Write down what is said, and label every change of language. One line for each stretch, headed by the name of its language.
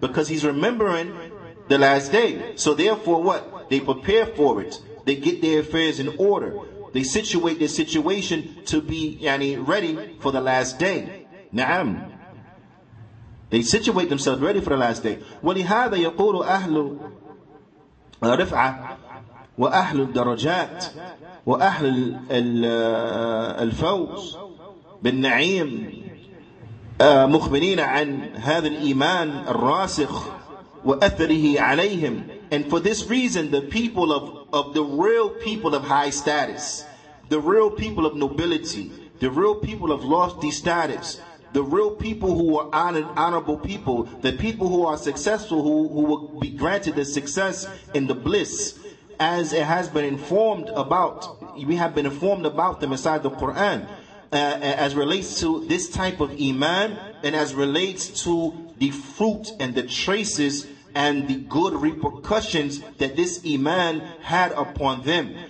English: Because he's remembering the last day. So therefore what? They prepare for it. They get their affairs in order. They situate their situation to be ready for the last day. Na'am. They situate themselves ready for the last day.
Arabic: وَلِهَذَا يَقُولُ أَهْلُ رِفْعَةً وأهل الدرجات وأهل الفوز بالنعيم مخبرين عن هذا الإيمان الراسخ وأثره عليهم.
English: And for this reason, the people of the real people of high status, the real people of nobility, the real people of lofty status, the real people who are honorable people, the people who are successful, who will be granted the success in the bliss, as it has been informed about, we have been informed about them inside the Quran, as relates to this type of iman, and as relates to the fruit and the traces and the good repercussions that this iman had upon them.